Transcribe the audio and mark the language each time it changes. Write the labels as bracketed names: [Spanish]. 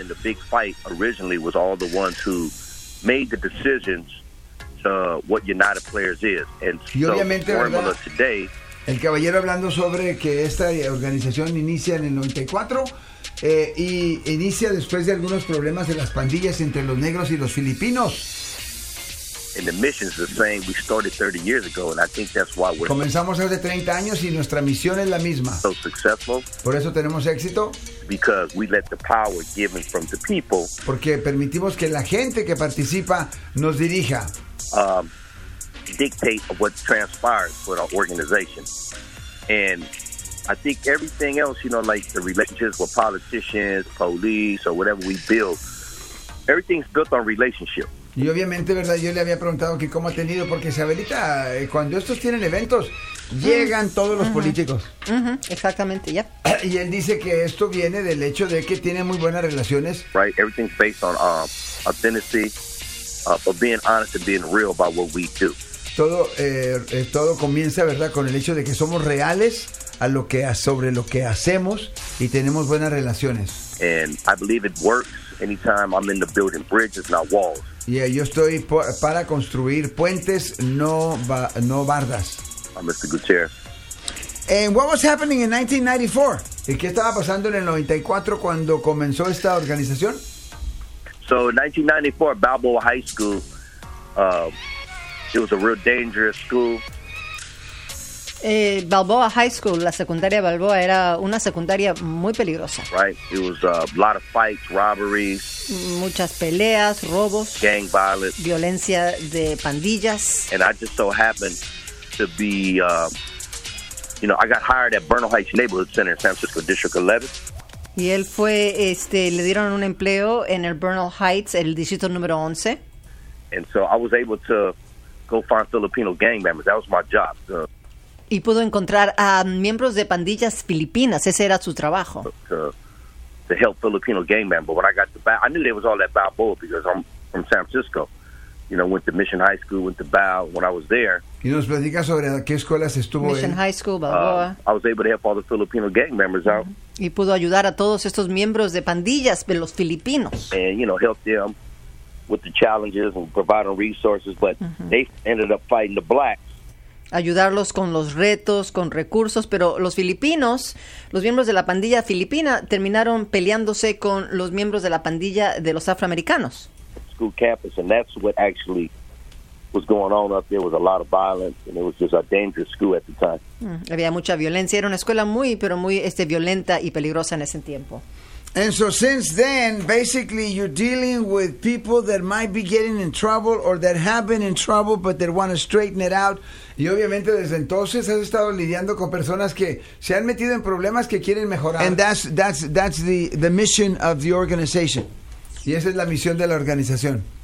[English] And the big fight originally was all the ones who made the decisions to what United Players is. And [Spanish] y obviamente, [English] so, [Spanish] ¿verdad? [English] Today, [Spanish] el caballero hablando sobre que esta organización inicia en el 94 y inicia después de algunos problemas de las pandillas entre los negros y los filipinos. [English] And the mission is the same. We started 30 years ago, and I think that's why we're. [Spanish] Comenzamos hace 30 años y nuestra misión es la misma. [English] So successful. [Spanish] Por eso tenemos éxito. [English] Because we let the power given from the people. [Spanish] Porque permitimos que la gente que participa nos dirija. [English] Dictate what transpires for our organization, and I think everything else, you know, like the relationships with politicians, police, or whatever we build, everything's built on relationship. [Spanish] Y obviamente, ¿verdad? Yo le había preguntado que cómo ha tenido, porque Isabelita, cuando estos tienen eventos, llegan todos los políticos. Exactamente, ya. Y él dice que esto viene del hecho de que tiene muy buenas relaciones. [English] Right, everything's based on authenticity, of being honest and being real about what we do. [Spanish] Todo, todo comienza, ¿verdad?, con el hecho de que somos reales a lo que, sobre lo que hacemos y tenemos buenas relaciones. [English] And I believe it works anytime I'm in the building bridges, not walls. [Spanish] Yeah, yo estoy para construir puentes, no bardas. [English] Mr. Gutierrez. And what was happening in 1994? [Spanish] ¿Y qué estaba pasando en el 94 cuando comenzó esta organización? [English] So, in 1994, Balboa High School, it was a real dangerous school. [Spanish] Balboa High School, la secundaria Balboa, era una secundaria muy peligrosa. [English] Right, it was a lot of fights, robberies. [Spanish] Muchas peleas, robos. [English] Gang violence. [Spanish] Violencia de pandillas. [English] And I just so happened to be, you know, I got hired at Bernal Heights Neighborhood Center in San Francisco District 11. [Spanish] Y él fue, le dieron un empleo en el Bernal Heights, el distrito número 11. [English] And so I was able to go find Filipino gang members. That was my job. [Spanish] Y pudo encontrar a miembros de pandillas filipinas. Ese era su trabajo. [English] To help Filipino gang members. But when I got to Balboa, I knew there was all that Balboa because I'm from San Francisco. You know, went to Mission High School, went to Balboa when I was there. [Spanish] ¿Y nos platicas sobre qué escuelas estuvo [English] Mission [Spanish] él? [English] High School, Balboa. I was able to help all the Filipino gang members out. [Spanish] Y pudo ayudar a todos estos miembros de pandillas de los filipinos. [English] And, you know, help them with the challenges and providing resources. But they ended up fighting the blacks. [Spanish] Ayudarlos con los retos, con recursos, pero los filipinos, los miembros de la pandilla filipina, terminaron peleándose con los miembros de la pandilla de los afroamericanos. [English] School campus, and that's what actually was going on up there. Was a lot of violence, and it was just a dangerous school at the time. [Spanish] Había mucha violencia. Era una escuela muy, pero muy violenta y peligrosa en ese tiempo. [English] And so since then, basically, you're dealing with people that might be getting in trouble or that have been in trouble, but they want to straighten it out. [Spanish] Y obviamente desde entonces has estado lidiando con personas que se han metido en problemas que quieren mejorar. [English] And that's the mission of the organization. [Spanish] Y esa es la misión de la organización.